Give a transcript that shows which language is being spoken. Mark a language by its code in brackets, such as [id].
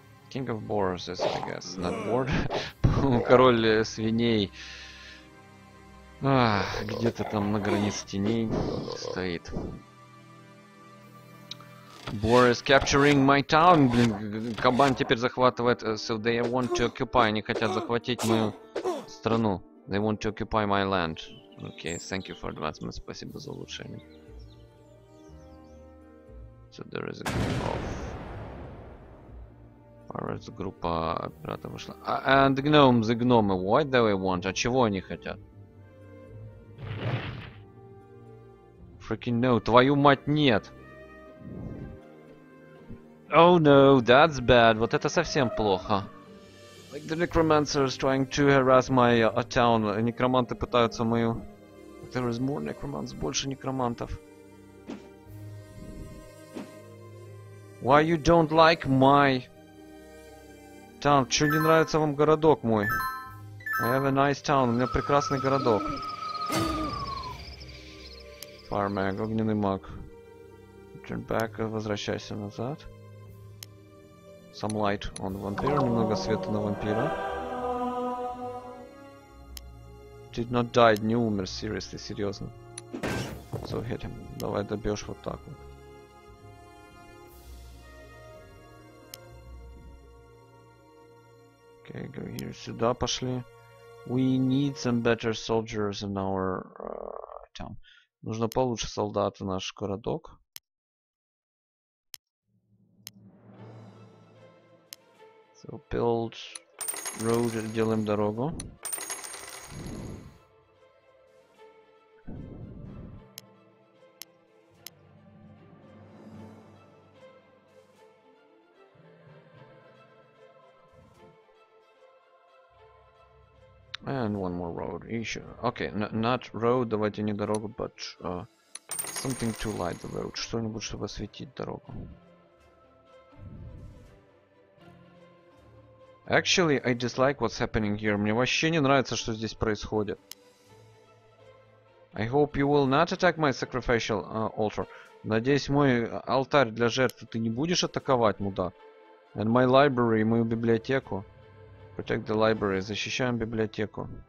[en] King of boars is, I guess, not bored. [ru] Король свиней. Где-то там на границе теней стоит. [en] Boar is capturing my town. [ru] Блин, кабан теперь захватывает. [en] So they want to occupy. [ru] Они хотят захватить мою страну. [en] They want to occupy my land. Okay, thank you for advancement. [ru] Спасибо за улучшение. [en] So there is a group of pirates. [ru] Группа пиратов вышла. [en] And gnomes, the gnomes. What do they want? [ru] А чего они хотят? [en] Freaking no, [ru] твою мать нет! [en] Oh no, that's bad. [ru] Вот это совсем плохо. [en] Like the necromancer is trying to harass my town. [ru] Некроманты пытаются мою... [en] There is more necromants, [ru] больше некромантов. [en] Why you don't like my... town? [ru] Чё не нравится вам городок мой? [en] I have a nice town, [ru] у меня прекрасный городок. [en] Fire mag, [ru] огненный маг. [en] Turn back, [ru] возвращайся назад. [en] Some light on the vampire, [ru] немного света на вампира. [en] Did not die, [ru] не умер, seriously, серьезно. [en] So hit him, [ru] давай добьешь вот так вот. [en] Okay, go here, [ru] сюда пошли. [en] We need some better soldiers in our town. [ru] Нужно получше солдат в наш городок. [en] So build road, [ru] делаем дорогу. [en] And one more road, еще. Okay, not road, [ru] давайте не дорогу, [en] but something to light the road, [ru] что-нибудь, чтобы осветить дорогу. [en] Actually, I dislike what's happening here. [ru] Мне вообще не нравится, что здесь происходит. [en] I hope you will not attack my sacrificial altar. [ru] Надеюсь, мой алтарь для жертвы ты не будешь атаковать, мудак. [en] And my library, [ru] мою библиотеку. [en] Protect the library. [ru] Защищаем библиотеку.